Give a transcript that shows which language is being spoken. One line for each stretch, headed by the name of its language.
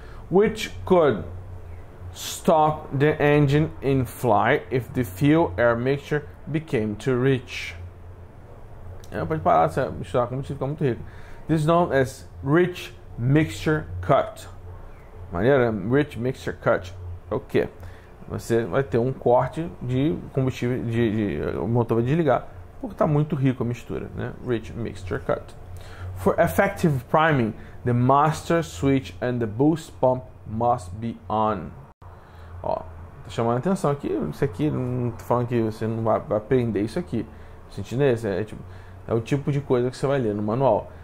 English: Which could stop the engine in flight if the fuel air mixture became too rich.
Portuguese: É, pode parar, se misturar com combustível, fica muito rico.
English: This is known as rich mixture cut.
Portuguese: Maneira, rich mixture cut. Ok. Você vai ter um corte de combustível, o motor vai desligar, porque está muito rico a mistura, né?
English: Rich mixture cut. For effective priming, the master switch and the boost pump must be on.
Portuguese: Ó, tá chamando a atenção aqui. Isso aqui, não tô falando que você não vai aprender isso aqui. Sentindo isso, é o tipo de coisa que você vai ler no manual.